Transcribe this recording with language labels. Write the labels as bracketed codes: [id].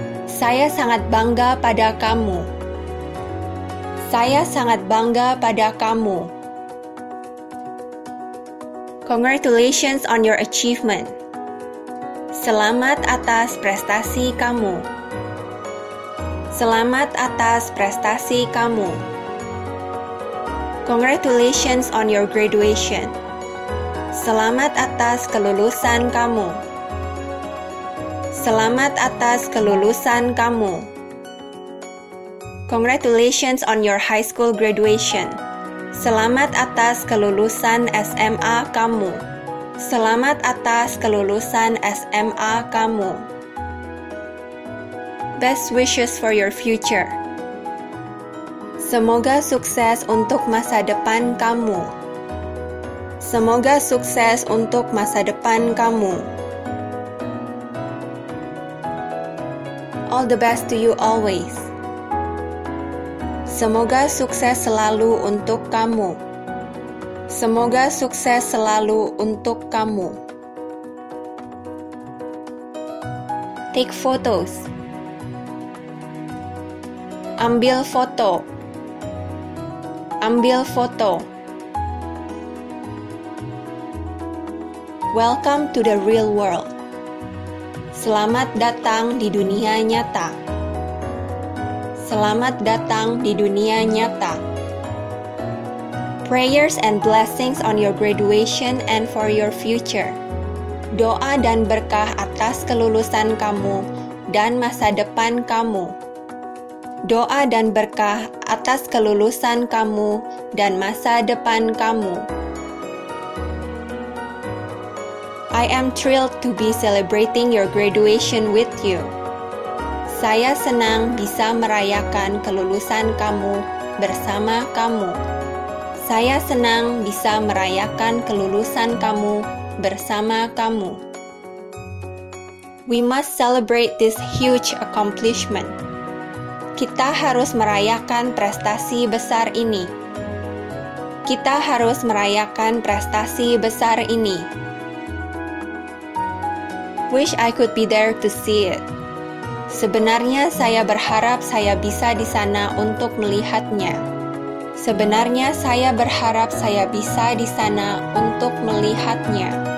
[id] Saya sangat bangga pada kamu. Saya sangat bangga pada kamu. [en] Congratulations on your achievement. [id] Selamat atas prestasi kamu. Selamat atas prestasi kamu. [en] Congratulations on your graduation. [id] Selamat atas kelulusan kamu. Selamat atas kelulusan kamu. [en] Congratulations on your high school graduation. [id] Selamat atas kelulusan SMA kamu. Selamat atas kelulusan SMA kamu. [en] Best wishes for your future. [id] Semoga sukses untuk masa depan kamu. Semoga sukses untuk masa depan kamu. [en] All the best to you always. [id] Semoga sukses selalu untuk kamu. Semoga sukses selalu untuk kamu. [en] Take photos. [id] Ambil foto. Ambil foto. [en] Welcome to the real world. [id] Selamat datang di dunia nyata. Selamat datang di dunia nyata. [en] Prayers and blessings on your graduation and for your future. [id] Doa dan berkah atas kelulusan kamu dan masa depan kamu. Doa dan berkah atas kelulusan kamu dan masa depan kamu. [en] I am thrilled to be celebrating your graduation with you. [id] Saya senang bisa merayakan kelulusan kamu bersama kamu. Saya senang bisa merayakan kelulusan kamu bersama kamu. [en] We must celebrate this huge accomplishment. [id] Kita harus merayakan prestasi besar ini. Kita harus merayakan prestasi besar ini. [en] Wish I could be there to see it. [id] Sebenarnya saya berharap saya bisa di sana untuk melihatnya. Sebenarnya saya berharap saya bisa di sana untuk melihatnya.